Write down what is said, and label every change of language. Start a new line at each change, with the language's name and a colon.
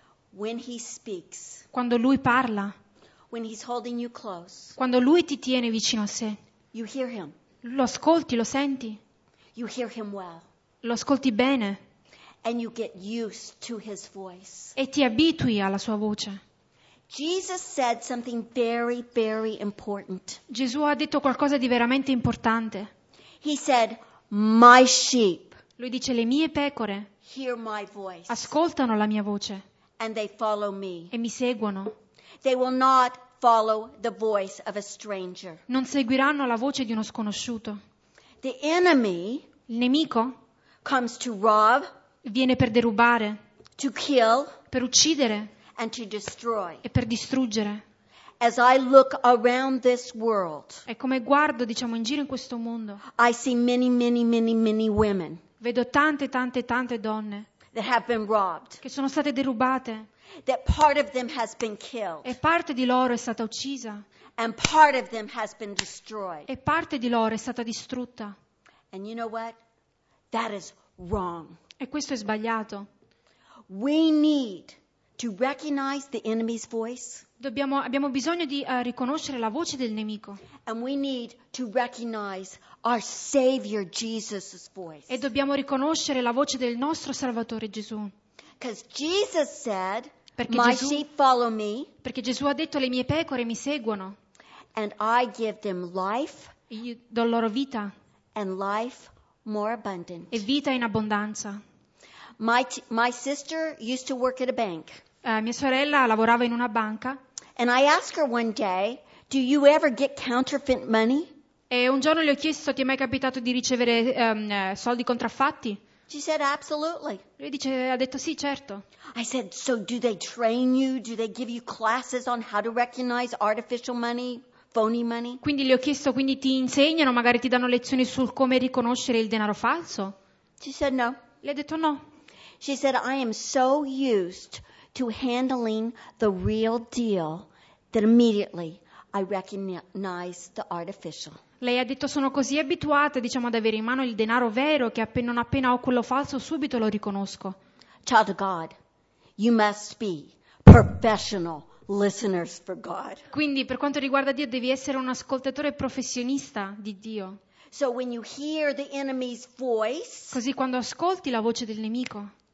English: when He speaks,
Italian: quando lui parla,
English: when He's holding you close,
Italian: quando lui ti tiene vicino a sé,
English: you hear Him.
Italian: Lo ascolti, lo senti.
English: You hear Him well.
Italian: Lo ascolti bene.
English: And you get used to His voice.
Italian: E ti abitui alla sua voce.
English: Jesus said something very, very important.
Italian: Gesù ha detto qualcosa di veramente importante.
English: He said, "My sheep."
Italian: Lui dice, le mie pecore.
English: Hear my voice.
Italian: Ascoltano la mia voce.
English: And they follow me.
Italian: E mi seguono.
English: They will not follow the voice of a stranger.
Italian: Non seguiranno la voce di uno sconosciuto.
English: The enemy,
Italian: il nemico,
English: comes to rob,
Italian: viene per derubare,
English: to kill,
Italian: per uccidere,
English: and to destroy.
Italian: E per distruggere.
English: As I look around this world,
Italian: e come guardo, diciamo, in giro in questo mondo,
English: I see many, many, many, many women,
Italian: vedo tante, tante, tante donne,
English: that have been robbed,
Italian: che sono state derubate,
English: that part of them has been killed,
Italian: e parte di loro è stata uccisa,
English: and part of them has been destroyed,
Italian: e parte di loro è stata distrutta.
English: And you know what? That is wrong.
Italian: E questo è sbagliato.
English: We need to recognize the enemy's voice.
Italian: Abbiamo bisogno di riconoscere la voce del nemico.
English: And we need to recognize our Savior Jesus's voice.
Italian: E dobbiamo riconoscere la voce del nostro Salvatore Gesù.
English: Because Jesus said,
Italian: perché
English: my
Italian: Gesù,
English: sheep follow me.
Italian: Perché Gesù ha detto, le mie pecore mi seguono.
English: And I give them life.
Italian: Io do loro vita.
English: And life more abundant.
Italian: E vita in abbondanza.
English: My sister used to work at a bank.
Italian: Mia sorella lavorava in una banca.
English: And I asked her one day, do you ever get counterfeit money?
Italian: E un giorno le ho chiesto, ti è mai capitato di ricevere soldi contraffatti?
English: She said, absolutely.
Italian: Lui dice, ha detto sì, certo.
English: I said, so do they train you? Do they give you classes on how to recognize artificial money, phony money?
Italian: Quindi le ho chiesto, quindi ti insegnano, magari ti danno lezioni sul come riconoscere il denaro falso?
English: She said, no.
Italian: Le ha detto no.
English: She said, I am so used to handling the real deal that immediately I recognize the artificial.
Italian: Lei ha detto, sono così abituata, diciamo, ad avere in mano il denaro vero che appena ho quello falso subito lo riconosco.
English: Child of God, you must be professional listeners for God.
Italian: Quindi per quanto riguarda Dio devi essere un ascoltatore professionista di Dio.
English: So when you hear the enemy's voice,
Italian: così quando ascolti la voce del nemico,